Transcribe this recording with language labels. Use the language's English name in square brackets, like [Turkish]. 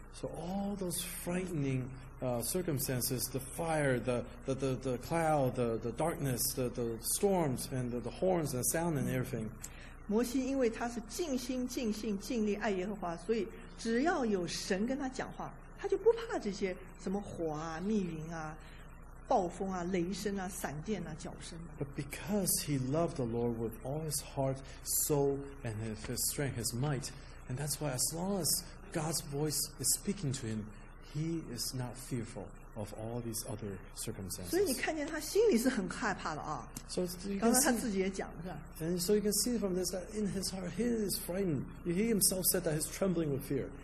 [English] So all those frightening circumstances, the fire, the cloud, the darkness, the storms, and the horns and the sound and everything. [Chinese] 摩西因为他是尽心尽性尽力爱耶和华，所以只要有神跟他讲话。他就不怕这些什么火啊、密云啊、暴风啊、雷声啊、闪电啊、脚声。 [English] But because he loved the Lord with all his heart, soul, and his strength, his might, and that's why as long as God's voice is speaking to him, he is not fearful of all these other circumstances. [Chinese] 所以你看见他心里是很害怕的啊。 [English] So you can see from this that in his heart, he is frightened. He himself said that he's trembling with fear.